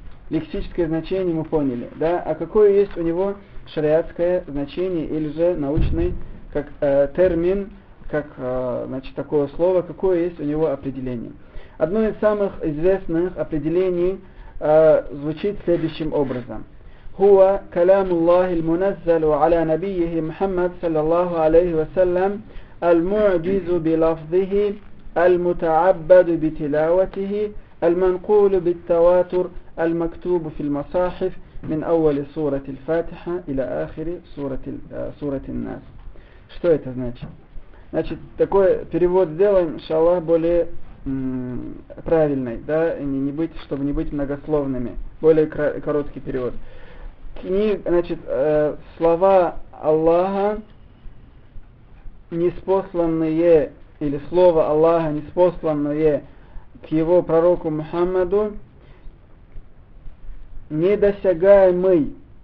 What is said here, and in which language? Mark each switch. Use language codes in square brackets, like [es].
[ru] Лексическое значение мы поняли, да? А какое есть у него шариатское значение или же научный как термин, как, значит, такое слово, какое есть у него определение? Одно из самых известных определений звучит следующим образом. [ar] هو كلام الله المنزل على نبيه محمد صلى الله عليه وسلم المعجز بلفظه المتعبد بتلاوته المنقول بالتواتر المكتوب في المصاحف من أول سورة الفاتحة إلى آخر سورة الناس. [ru] Что это значит? Значит, такой перевод сделаем, иншаллах, более правильный, да, чтобы не быть многословными, более короткий перевод. Значит, слова Аллаха, ниспосланные, или слово Аллаха, ниспосланное к его пророку Мухаммаду, недосягаемый